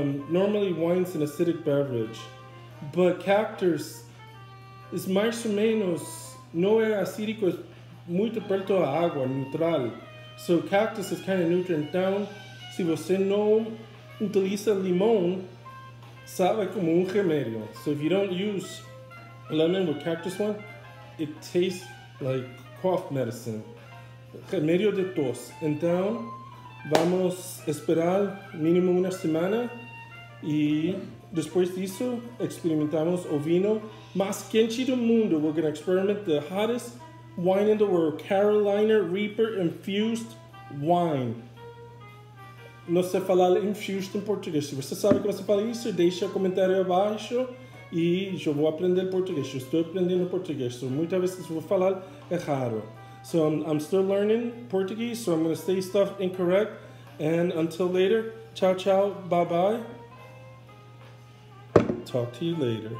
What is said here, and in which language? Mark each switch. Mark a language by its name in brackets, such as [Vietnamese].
[English] Normally wine's an acidic beverage, but cactus is [Portuguese] mais ou menos, não é acídico, é muito perto da água, neutral. [English] So cactus is kind of neutral. [Portuguese] Então, se você não utiliza limão, sabe como remédio. [English] So if you don't use lemon with cactus wine, it tastes like cough medicine. [Portuguese] Remédio de tos. Então, vamos esperar mínimo uma semana e depois disso experimentamos o vinho mais quente do mundo. [English] We're going to experiment the hottest wine in the world, Carolina Reaper Infused Wine. [Portuguese] Não sei falar infused em português. Se você sabe como se fala isso, deixa um comentário abaixo e eu vou aprender português. Eu estou aprendendo português, so muitas vezes vou falar errado. [English] So I'm still learning Portuguese, so I'm going to say stuff incorrect. And until later, ciao, ciao, bye-bye. Talk to you later.